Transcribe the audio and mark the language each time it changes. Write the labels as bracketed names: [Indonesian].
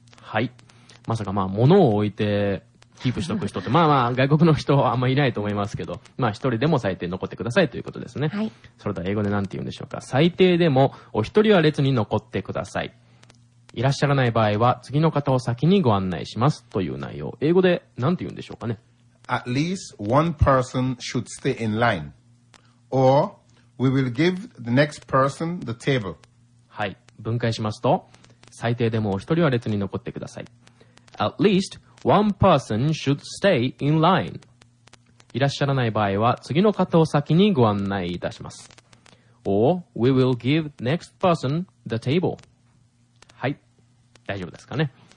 [Japanese] はい、まさかまあ物を置いてキープしとく人ってまあまあ外国の人はあんまりいないと思いますけど、まあ一人でも最低残ってくださいということですね。はい、それでは英語で何て言うんでしょうか。最低でもお一人は列に残ってください。いらっしゃらない場合は次の方を先にご案内しますという内容、英語で何て言うんでしょうかね。 [English] At least one person should stay in line or we will give the next person the table。 [Japanese] はい、分解しますと、最低でもお一人は列に残ってください。 [English] At least one person should stay in line。 [Japanese] いらっしゃらない場合は次の方を先にご案内いたします。 [English] or we will give next person the table。 [Japanese] 大丈夫ですかね。